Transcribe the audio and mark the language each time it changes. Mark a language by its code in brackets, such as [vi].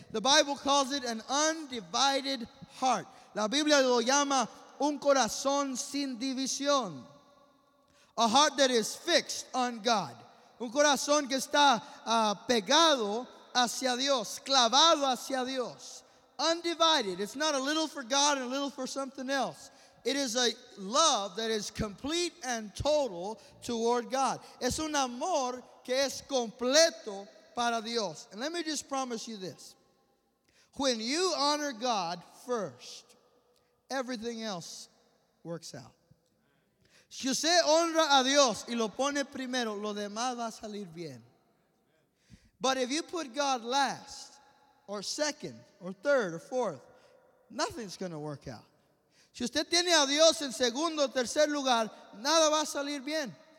[en] The Bible calls it an undivided heart. [es] La Biblia lo llama un corazón sin división. [en] A heart that is fixed on God. [es] Un corazón que está pegado hacia Dios, clavado hacia Dios. [en] Undivided. It's not a little for God and a little for something else. It is a love that is complete and total toward God. [es] Es un amor que es completo para Dios. [en] And let me just promise you this. When you honor God first, everything else works out. [es] Si usted honra a Dios y lo pone primero, lo demás va a salir bien. [en] But if you put God last, or second, or third, or fourth, nothing's going to work out. [es] Si usted tiene a Dios en segundo o tercer lugar, nada va a salir bien.